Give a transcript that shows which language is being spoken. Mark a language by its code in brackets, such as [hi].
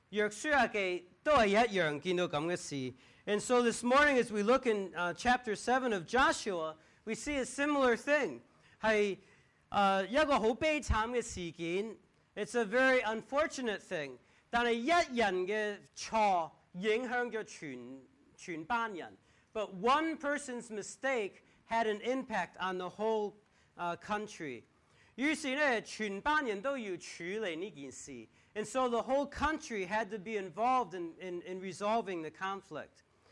[yue] 今天呢,我们看约书亚记都是一样见到这样的事. [en] And so this morning as we look in chapter 7 of Joshua, we see a similar thing. [yue] 是一个很悲惨的事件. [en] It's a very unfortunate thing. [yue] 但是一人的错影响了全班人. [en] But one person's mistake had an impact on the whole country. [yue] 于是呢, [en] and so the whole country had to be involved in resolving the conflict.